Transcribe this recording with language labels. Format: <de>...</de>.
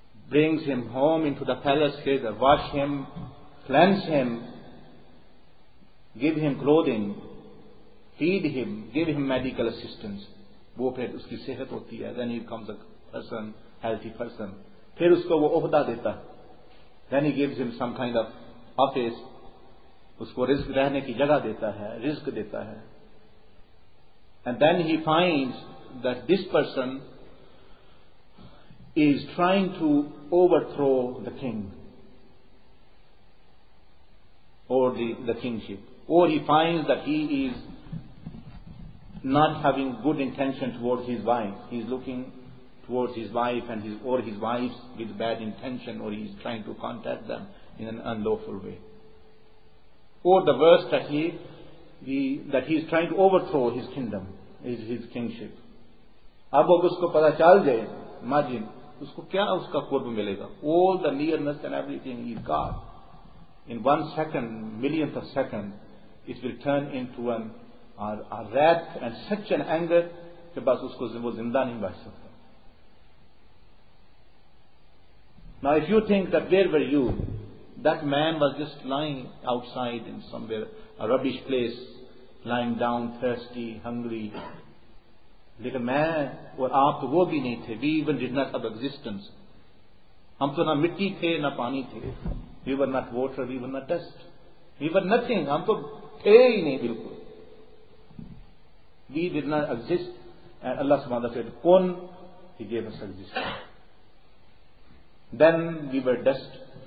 <en>Brings him home into the palace, wash him, cleanse him, give him clothing, feed him, give him medical assistance.</en> <ur>وہ پھر اس کی صحت ہوتی ہے.</ur> <en>Then he becomes a person, healthy person.</en> <ur>پھر اس کو وہ عہدہ دیتا.</ur> <en>Then he gives him some kind of office.</en> <ur>اس کو رزق رہنے کی جگہ دیتا ہے, رزق دیتا ہے.</ur> <en>And then he finds that this person is trying to overthrow the king or the kingship. Or he finds that he is not having good intention towards his wife. He is looking towards his wife and his or his wives with bad intention, or he is trying to contact them in an unlawful way. Or the worst, that he is trying to overthrow his kingdom, his kingship.</en> <ur>اب اگر اس کو پتا چل جائے, imagine اس کو کیا اس کا قرب ملے گا.</ur> <en>All the nearness and everything he's got, in one second, millionth of second, it will turn into a wrath and such an anger</en> <ur>کہ بس اس کو وہ زندہ نہیں بچ سکتا.</ur> <en>Now if you think that where were you, that man was just lying outside in somewhere, a rubbish place, lying down, thirsty, hungry.</en> <ur>لیکن میں اور آپ تو وہ بھی نہیں تھے.</ur> <en>We even did not have existence.</en> <ur>ہم تو نہ مٹی تھے نہ پانی تھے.</ur> <en>We were not water, we were not dust. We were nothing.</en> <ur>ہم تو تھے ہی نہیں بالکل.</ur> <en>We did not exist. And Allah سبحانہ said, کون, He gave us existence. Then we were dust.</en>